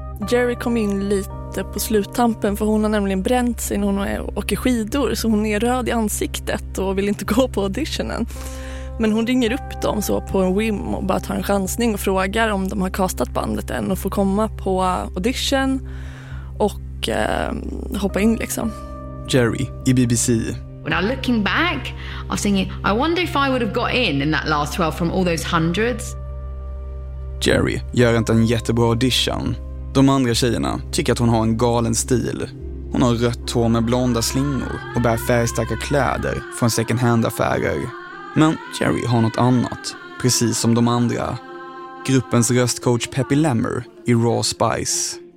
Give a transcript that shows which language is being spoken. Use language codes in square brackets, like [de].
[sv] Jerry kom in lite på sluttampen för hon har nämligen bränt sig när hon åker skidor, så hon är röd i ansiktet och vill inte gå på auditionen. Men hon ringer upp dem så på en whim och bara tar en chansning och frågar om de har castat bandet än och får komma på audition och hoppa in liksom. Jerry i BBC. [en] Now looking back, I was thinking, I wonder if I would have got in that last 12 from all those hundreds. [sv] Jerry gör inte en jättebra audition. De andra tjejerna tycker att hon har en galen stil. Hon har rött hår med blonda slingor och bär färgstarka kläder från second hand affärer. Men Jerry har något annat, precis som de andra. Gruppens röstcoach Peppy Lemmer i Raw Spice.